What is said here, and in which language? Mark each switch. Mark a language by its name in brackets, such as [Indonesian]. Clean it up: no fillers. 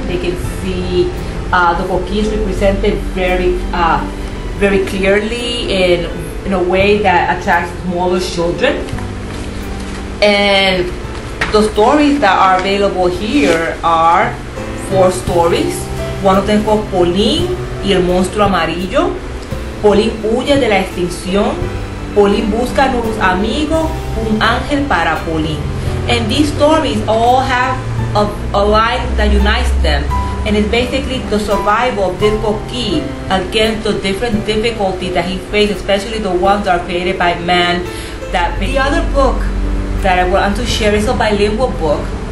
[English] They can see the coqui is represented very very clearly in a way that attracts smaller children. And the stories that are available here are four stories. One of them called Pauline, [Spanish] y el monstruo amarillo. Polín huye de la extinción. Polín busca nuevos amigos, un ángel para Polín. [English] And these stories all have a line that unites them. And it's basically the survival of this Coqui against the different difficulties that he faced, especially the ones that are created by man. That the other book that I want to share is a bilingual book.